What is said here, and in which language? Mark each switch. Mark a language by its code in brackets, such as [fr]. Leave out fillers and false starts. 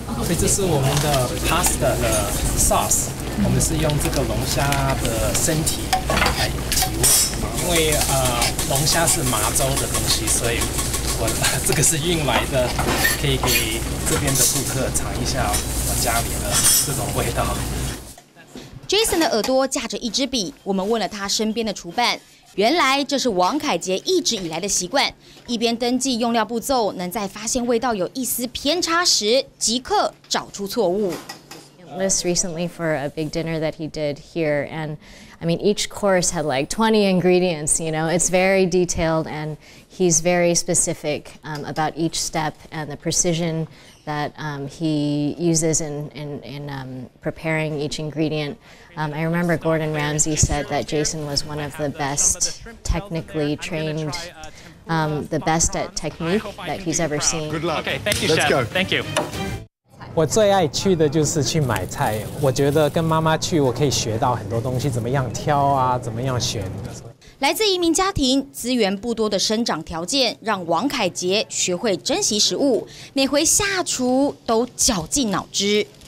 [zh] 所以这是我们的 pasta 的 sauce，我们是用这个龙虾的身体来提味，因为龙虾是麻州的东西，所以我这个是运来的，可以给这边的顾客尝一下我家里的这种味道。 Jason 的耳朵架着一支笔，我们问了他身边的厨伴。原来这是王凯杰一直以来的习惯，一边登记用料步骤，能在发现味道有一丝偏差时，即刻找出错误。 [en] List recently for a big dinner that he did here, and I mean each course had like 20 ingredients. You know, it's very detailed, and he's very specific about each step and the precision that he uses in preparing each ingredient. I remember Gordon Ramsay said that Jason was one of the best technically trained, the best at technique that he's ever seen. Good luck. Okay, thank you, chef. Let's go. Thank you. [zh] 我最爱去的就是去买菜，我觉得跟妈妈去，我可以学到很多东西，怎么样挑啊，怎么样选。来自移民家庭，资源不多的生长条件，让王凯杰学会珍惜食物，每回下厨都绞尽脑汁。